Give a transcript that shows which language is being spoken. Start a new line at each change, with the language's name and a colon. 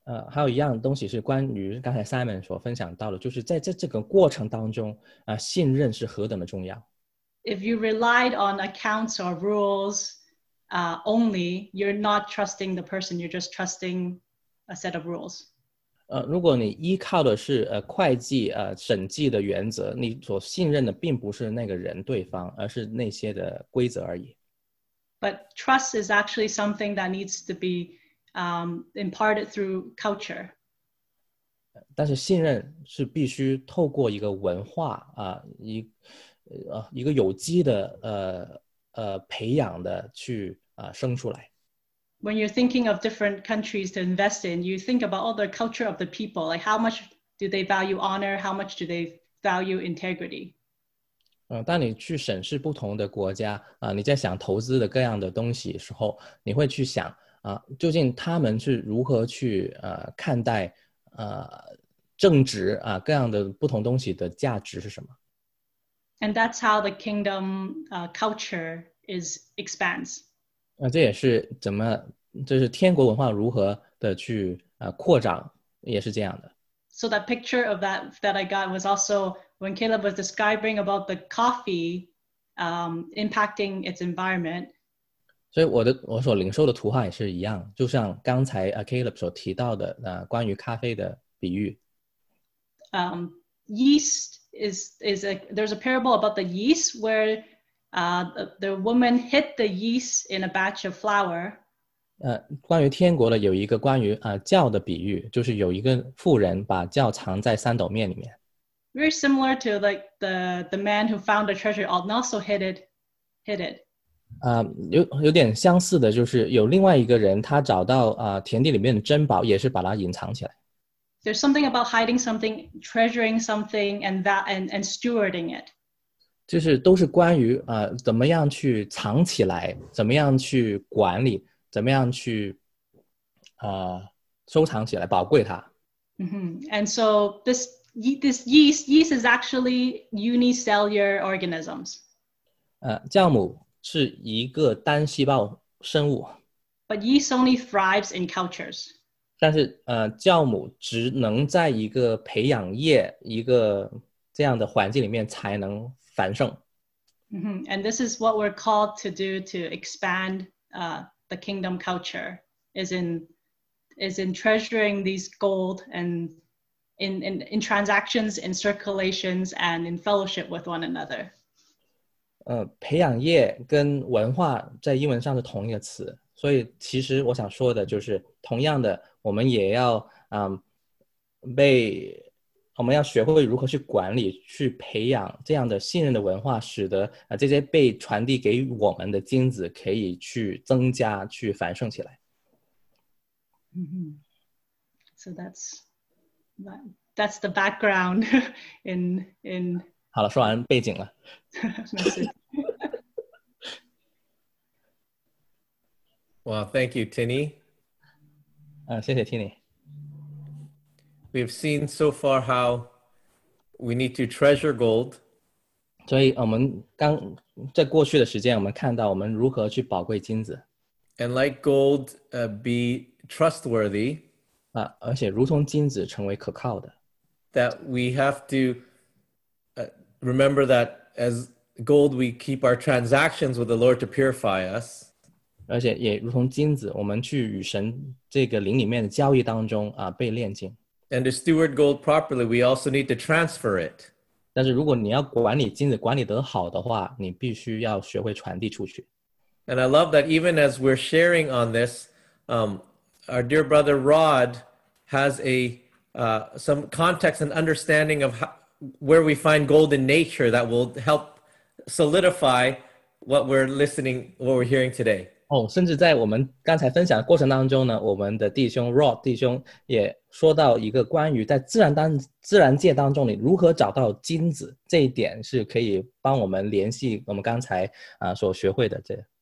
Chinese: 还有一样东西是关于刚才 Simon 所分享到的，就是在这个过程当中，信任是何等的重要。
English: If you relied on accounts or rules, only, you're not trusting the person, you're just trusting a set of rules.
Chinese: 如果你依靠的是会计审计的原则，你所信任的并不是那个人对方，而是那些的规则而已。
English: But trust is actually something that needs to be imparted through culture.
Chinese: 但是信任是必须透过一个文化一个有机的培养的去生出来。
English: When you're thinking of different countries to invest in, you think about all the culture of the people, like how much do they value honor, how much do they value integrity.
Chinese: 当你去审视不同的国家你在想投资的各样的东西的时候，你会去想究竟他们是如何去看待正直各样的不同东西的价值是什么。
English: And that's how the kingdom culture is expands.
Chinese: 这也是怎么就是天国文化如何的去扩展，也是这样的。
English: So that picture of that I got was also when Caleb was describing about the coffee impacting its environment.
Chinese: 所以我所领受的图画也是一样，就像刚才Caleb 所提到的关于咖啡的比喻。
English: Yeast is there's a parable about the yeast where the woman hid the yeast in a batch of flour.
Chinese: 关于天国的有一个关于窖的比喻，就是有一个妇人把窖藏在三斗面里面。
English: Very similar to like the man who found the treasure and also hid it.
Chinese: 有点相似的，就是有另外一个人，他找到田地里面的珍宝，也是把它隐藏起来。
English: There's something about hiding something, treasuring something, and stewarding it.
Chinese: 就是都是关于怎么样去藏起来，怎么样去管理，怎么样去收藏起来，宝贵它。 Mm-hmm.
English: And so this yeast is actually unicellular organisms.
Chinese: 酵母。是一个单细胞生物。
English: But yeast only thrives in cultures.
Chinese: 但是酵母只能在一个培养液一个这样的环境里面才能繁盛。 Mm-hmm.
English: And this is what we're called to do to expand the kingdom culture is in treasuring these gold and in transactions, in circulations, and in fellowship with one another.
Chinese: 培养液跟文化在英文上是同一个词，所以其实我想说的就是同样的我们也要被我们要学会如何去管理，去培养这样的信任的文化，使得这些被传递给我们的精子可以去增加，去繁盛起来。
English: Mm-hmm. So that's the background in
Chinese: 好了，说完背景了。
English: Well, thank you, Tinny.
Chinese: 谢谢 Tinny.
English: We've seen so far how we need to treasure gold.
Chinese: 所以我们刚在过去的时间，我们看到我们如何去宝贵金子。
English: And like gold, be trustworthy.
Chinese: 而且如同金子成为可靠的。
English: That we have to remember that as gold, we keep our transactions with the Lord to purify us.
Chinese: 而且也如同金子，我们去与神这个灵里面的交易当中啊，被炼净。
English: And to steward gold properly, we also need to transfer it.
Chinese: 但是如果你要管理金子管理得好的话，你必须要学会传递出去。
English: And I love that even as we're sharing on this, our dear brother Rod has some context and understanding of where we find gold in nature that will help solidify what we're hearing today.
Chinese: 甚至在我们刚才分享的过程当中呢，我们的弟兄 Rod 弟兄也说到一个关于在自然界当中你如何找到金子，这一点是可以帮我们联系我们刚才所学会的这。